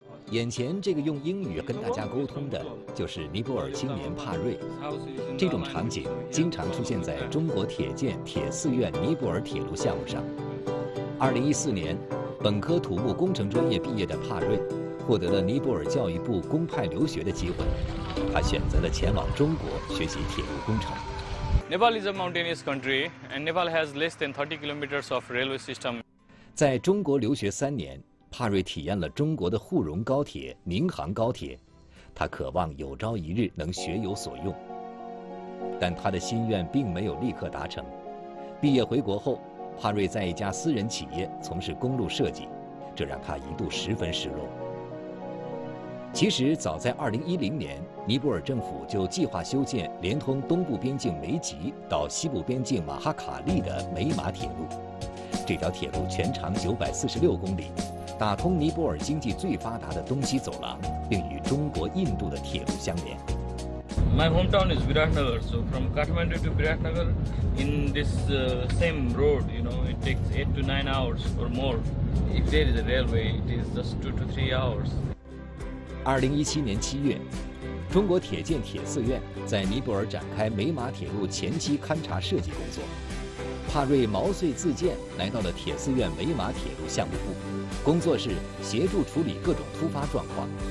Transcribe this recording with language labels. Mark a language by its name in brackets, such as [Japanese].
[Chinese] 眼前这个用英语跟大家沟通的就是尼泊尔青年帕瑞，这种场景经常出现在中国铁建铁四院尼泊尔铁路项目上。 2014年，本科土木工程专业毕业的帕瑞获得了尼泊尔教育部公派留学的机会，他选择了前往中国学习铁路工程。 [English] Nepal is a mountainous country and Nepal has less than 30 kilometers of railway system. [Chinese] 在中国留学3年，帕瑞体验了中国的沪蓉高铁、宁杭高铁，他渴望有朝一日能学有所用。但他的心愿并没有立刻达成。毕业回国后，帕瑞在一家私人企业从事公路设计，这让他一度十分失落。其实早在2010年，尼泊尔政府就计划修建连通东部边境梅吉到西部边境马哈卡利的梅马铁路，这条铁路全长946公里，打通尼泊尔经济最发达的东西走廊，并与中国、印度的铁路相连。 [English] My hometown is Viratnagar, so from Kathmandu to Viratnagar, in this same road, you know, it takes 8 to 9 hours or more. If there is a railway, it is just 2 to 3 hours. [Chinese] 2017年7月，中国铁建铁四院在尼泊尔展开美马铁路前期勘察设计工作。帕瑞毛遂自荐来到了铁四院美马铁路项目部，工作是协助处理各种突发状况。